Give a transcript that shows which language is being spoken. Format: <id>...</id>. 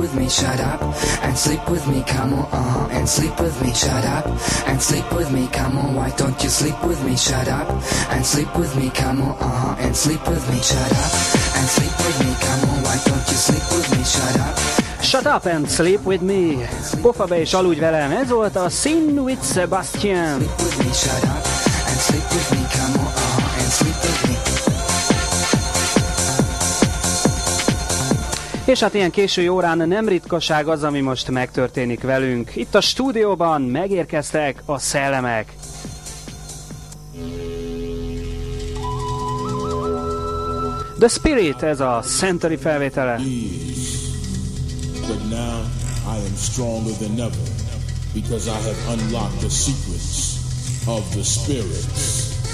<en>Shut up and sleep with me, come on, and sleep with me, shut up and sleep with me, come on, why don't you sleep with me, shut up and sleep with me, come on, and sleep with me, shut up and sleep with me, come on, why don't you sleep with me, shut up. Shut up and sleep with me.</en> <hu>Pofa be és aludj velem. Ez volt a</hu> <en>Sin with Sebastian. Sleep with me, shut up and sleep with me, come on, and sleep with me.</en> <hu>És hát ilyen késői órán nem ritkaság az, ami most megtörténik velünk. Itt a stúdióban megérkeztek a szellemek. The Spirit, ez a Century felvétele.</hu> <en>But now I am stronger than ever, because I have unlocked the secrets of the spirits.</en>